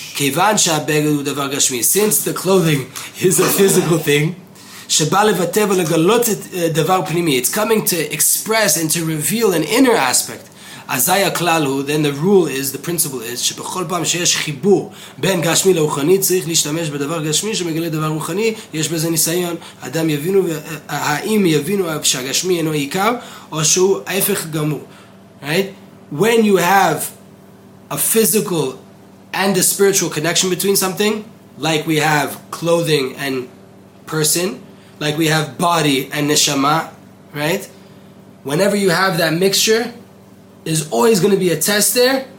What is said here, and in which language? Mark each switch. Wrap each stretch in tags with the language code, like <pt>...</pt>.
<en>Since the clothing is a physical thing, it's coming to express and to reveal an inner aspect.</en> <he>Azaya klalu,</he> <en>then the rule is, the principle is,</en> <he>שבכל פעם שיש חיבור בין גשמי לאוחני, צריך להשתמש בדבר גשמי שמגלה דבר רוחני, יש בזה ניסיון, אדם יבינו, האם יבינו שהגשמי אינו עיקר, או שהוא ההפך גמור.</he> <en>Right? When you have a physical and a spiritual connection between something, like we have clothing and person, like we have body and neshama, right? Whenever you have that mixture, there's always going to be a test there.</en>